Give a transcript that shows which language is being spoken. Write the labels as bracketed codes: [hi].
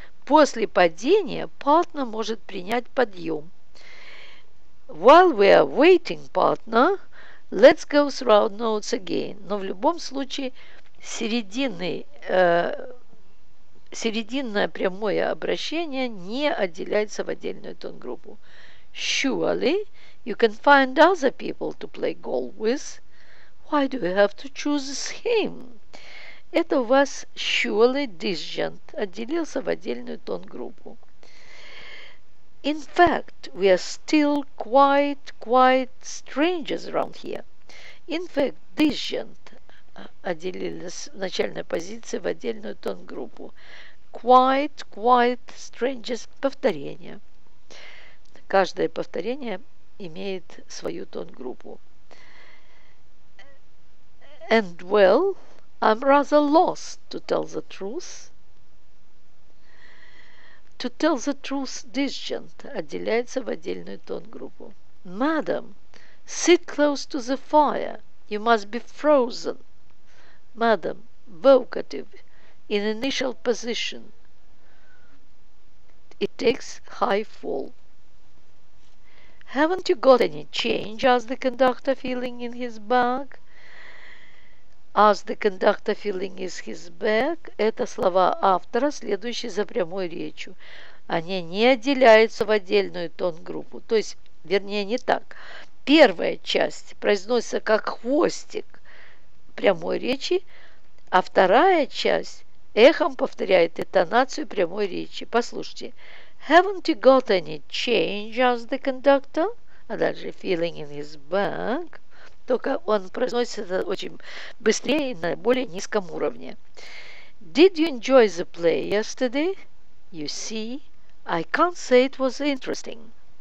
[ru] После падения partner может принять подъем. [en] While we are waiting, partner, let's go through notes again. [ru] Но в любом случае серединное прямое обращение не отделяется в отдельную тон группу. [en] Surely you can find other people to play golf with. Why do you have to choose him? [ru] Это у вас surely disjunct отделился в отдельную тон-группу. [en] In fact, we are still quite strangers around here. In fact, [ru] disjunct отделилась в начальной позиции в отдельную тон-группу. [en] Quite strangers повторение. [ru] Каждое повторение имеет свою тон-группу. [en] And well, I'm rather lost, to tell the truth. To tell the truth, disjunct [ru] отделяется в отдельную тон-группу. [en] Madam, sit close to the fire. You must be frozen. Madam, vocative, in initial position. It takes high fall. Haven't you got any change? Asked the conductor, feeling in his bag. Asked the conductor, feeling in his bag. [ru] Это слова автора, следующие за прямой речью. Они не отделяются в отдельную тон-группу. То есть, вернее, не так. Первая часть произносится как хвостик прямой речи, а вторая часть эхом повторяет интонацию прямой речи. Послушайте. [en] Haven't you got any change, asked the conductor? [ru] А дальше [en] feeling in his bag. [ru] Только он произносится очень быстрее и на более низком уровне. [en] Did you enjoy the play yesterday? You see, I can't say it was interesting.